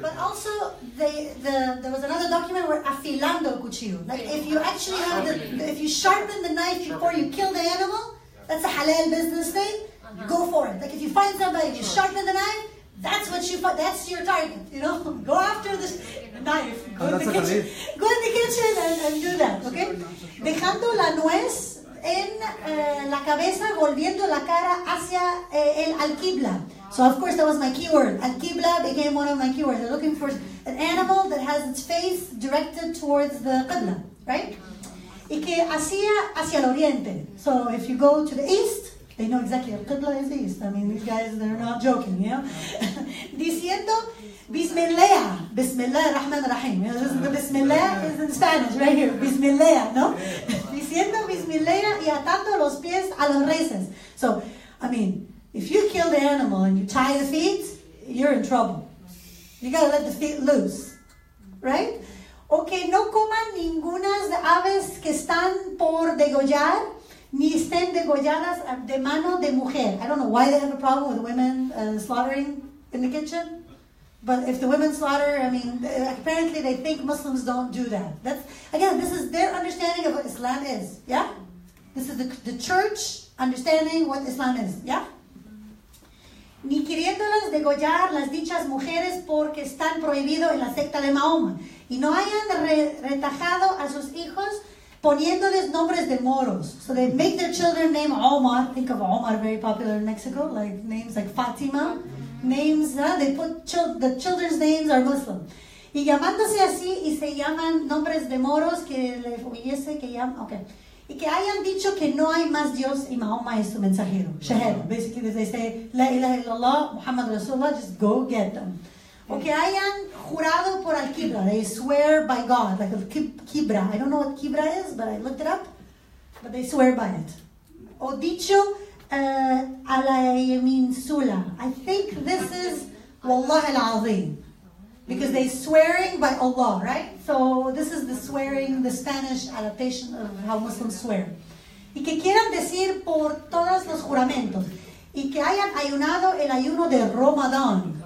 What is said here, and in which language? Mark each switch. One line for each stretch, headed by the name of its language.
English: But also there was another document where
Spanish: afilando el cuchillo,
English: like if you actually have if you sharpen the knife before you kill the animal, that's a halal business thing. Go for it. Like if you find somebody, you sharpen the knife. That's what you put. That's your target, you know. Go after this knife. Go in the kitchen. Go in the kitchen and do that. Okay.
Spanish: Dejando la nuez en la cabeza, volviendo la cara hacia el alquibla.
English: So of course that was my keyword. Alquibla became one of my keywords. They're looking for an animal that has its face directed towards the qibla, right?
Spanish: Y que hacia el oriente.
English: So if you go to the east. They know exactly what qibla is east. I mean, these guys, they're not joking, you know?
Spanish: Diciendo, Bismillah.
Arabic: Bismillah ar-Rahman ar-Rahim.
English: You know, this is the Bismillah is in Spanish, right here.
Spanish: Bismillah, no? Diciendo, Bismillah y atando los pies a los reses.
English: So, I mean, if you kill the animal and you tie the feet, you're in trouble. You gotta let the feet loose, right?
Spanish: O que no coman ninguna de aves que están por degollar, ni estén degolladas de mano de mujer.
English: I don't know why they have a problem with women slaughtering in the kitchen. But if the women slaughter, I mean, apparently they think Muslims don't do that. Again, this is their understanding of what Islam is. Yeah? This is the church understanding what Islam is. Yeah?
Spanish: Ni queriéndolas degollar las dichas mujeres porque están prohibido en la secta de Mahoma. Y no hayan retajado a sus hijos poniéndoles nombres de moros.
English: So they make their children name Omar. Think of Omar, very popular in Mexico. Like names like Fatima. Names, they put the children's names are Muslim.
Spanish: Y llamándose así, y se llaman nombres de moros que le hubiese que llaman. Okay. Y que hayan dicho que no hay más Dios y Mahoma es su mensajero.
English: Shahed. Basically, they say,
Arabic: La ilaha illallah, Muhammad Rasulullah,
English: just go get them.
Spanish: O que hayan jurado por al-Kibra.
English: They swear by God. Like al-Kibra. I don't know what Kibra is, but I looked it up. but they swear by it.
Spanish: O dicho a la yamin sula.
English: I think this is wallah al-azim. Because they swearing by Allah, right? So this is the swearing, the Spanish adaptation of how Muslims swear.
Spanish: Y que quieran decir por todos los juramentos. Y que hayan ayunado el ayuno de Ramadan.